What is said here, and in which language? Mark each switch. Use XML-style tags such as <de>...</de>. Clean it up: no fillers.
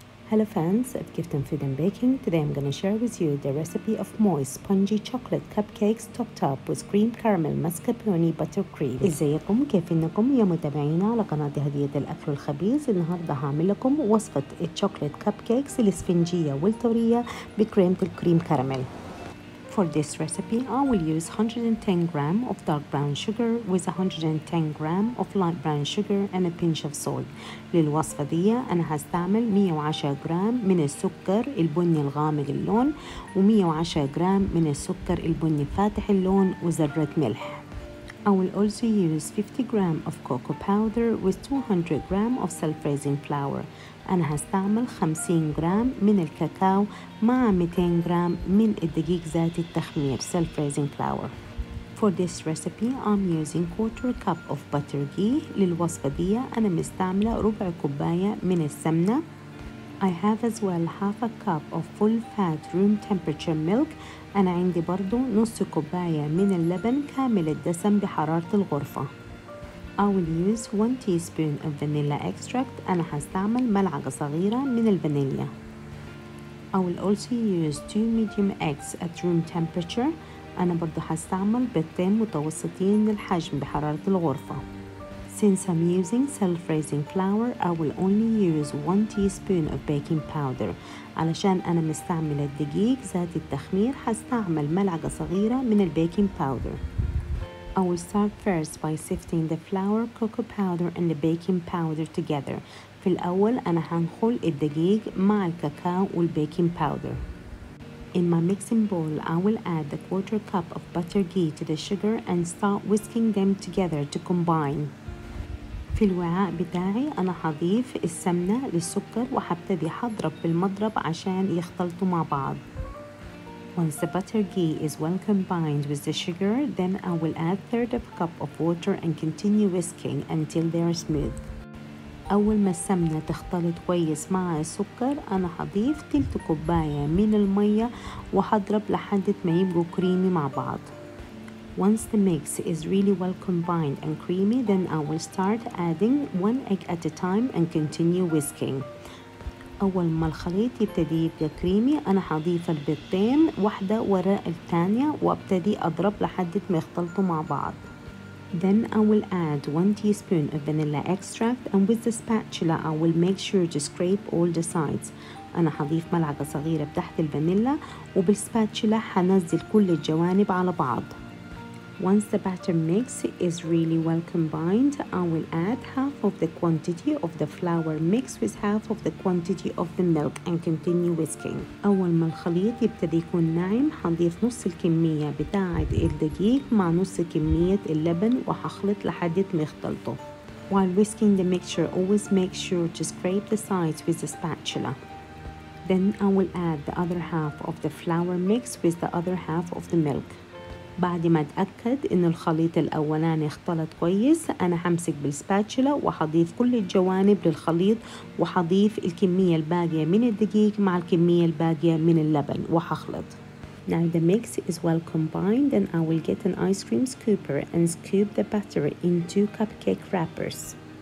<en>Hello fans of Gift and Food and Baking. Today I'm going to share with you the recipe of moist spongy chocolate cupcakes topped up with cream caramel mascarpone buttercream.</en> <ar>ازيكم كيف انكم يا متابعينا على قناة هدية الاكل الخبيز. النهاردة هعمل لكم وصفة الشوكولات كبكيكس الاسفنجية والتورية بكريمة الكريم كراميل.</ar> <en>For this recipe I will use 110 grams of dark brown sugar with 110 grams of light brown sugar and a pinch of salt.</en> <ar>للوصفة دي أنا هستعمل 110 جرام من السكر البني الغامق اللون و 110 جرام من السكر البني فاتح اللون وذرة ملح.</ar> <en>I will also use 50 grams of cocoa powder with 200 grams of self-raising flour.</en> <ar>أنا هستعمل 50 جرام من الكاكاو مع 200 جرام من الدقيق ذات التخمير</ar> <en>self-raising flour. For this recipe, I'm using 1/4 cup of butter ghee.</en> <ar>للوصفة دي أنا مستعملة ربع كوباية من السمنة.</ar> <en>I have as well 1/2 cup of full fat room temperature milk.</en> <ar>أنا عندي برضو نص كوباية من اللبن كامل الدسم بحرارة الغرفة.</ar> <en>I will use 1 teaspoon of vanilla extract.</en> <ar>أنا هستعمل ملعقة صغيرة من الفانيليا.</ar> <en>I will also use 2 medium eggs at room temperature.</en> <ar>أنا برضو هستعمل بيضتين متوسطين الحجم بحرارة الغرفة.</ar> <en>Since I'm using self-raising flour, I will only use 1 teaspoon of baking powder.</en> <ar>علشان أنا مستعمل الدقيق ذات التخمير هستعمل ملعقة صغيرة من البيكنج باودر.</ar> <en>I will start first by sifting the flour, cocoa powder and the baking powder together.</en> <ar>في الأول أنا هنخل الدقيق مع الكاكاو والبيكنج باودر.</ar> <en>In my mixing bowl, I will add 1/4 cup of butter ghee to the sugar and start whisking them together to combine.</en> <ar>في الوعاء بتاعي أنا هضيف السمنة للسكر وهبتدي هضرب بالمضرب عشان يختلطوا مع بعض.</ar> <en>Once the butter ghee is well combined with the sugar, then I will add 1/3 cup of water and continue whisking until they are smooth.</en> <ar>أول ما السمنة تختلط كويس مع السكر أنا هضيف 1/3 كوباية من المية وهضرب لحد ما يبقوا كريمي مع بعض.</ar> <en>Once the mix is really well combined and creamy, then I will start adding 1 egg at a time and continue whisking.</en> <ar>أول ما الخليط يبتدي يبقى كريمي أنا هضيف البيضتين واحدة وراء الثانية وابتدي أضرب لحد ما يختلطوا مع بعض.</ar> <en>Then I will add 1 teaspoon of vanilla extract and with the spatula I will make sure to scrape all the sides.</en> <ar>أنا هضيف ملعقة صغيرة بتحت الفانيلا وبالسباتشولا هنزل كل الجوانب على بعض.</ar> <en>Once the batter mix is really well combined, I will add 1/2 of the quantity of the flour mixed with 1/2 of the quantity of the milk and continue whisking.</en> <ar>أول ما الخليط يبتدي يكون ناعم هنضيف نص الكمية بتاعة الدقيق مع نص كمية اللبن وهخلط لحد ما يختلطوا.</ar> <en>While whisking the mixture, always make sure to scrape the sides with the spatula. Then I will add the other 1/2 of the flour mixed with the other 1/2 of the milk.</en> <ar>بعد ما اتأكد ان الخليط الاولاني اختلط كويس انا همسك بالسباتشولا وهضيف كل الجوانب للخليط وهضيف الكمية الباقية من الدقيق مع الكمية الباقية من اللبن وهخلط.</ar> <en>Now the mix is well combined and I will get an ice cream scooper and scoop the batter into cupcake wrappers.</en>